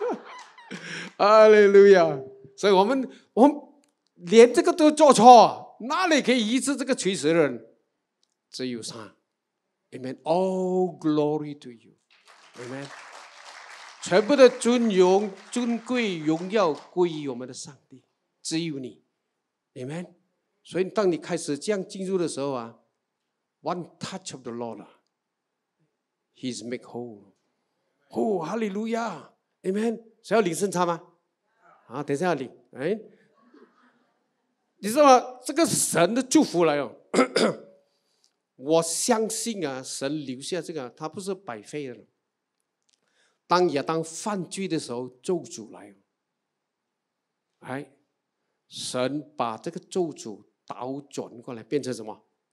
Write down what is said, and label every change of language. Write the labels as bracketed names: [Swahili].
[Chinese] 哈哈，哈利路亚！所以我们连这个都做错，哪里可以医治这个垂死人？ [English] 只有上，Amen. All glory to you, Amen. [Chinese] 全部的尊荣、尊贵、荣耀归于我们的上帝，只有你 ，Amen. 所以当你开始这样进入的时候啊 ， One touch of the Lord, He's make whole. 哦，哈利路亚 ，Amen！ 需要领圣餐吗？啊，等一下要领，哎，你知道吗？这个神的祝福来哦，我相信啊，神留下这个，他不是白费的。当亚当犯罪的时候，咒诅来哦，哎，神把这个咒诅倒转过来，变成什么？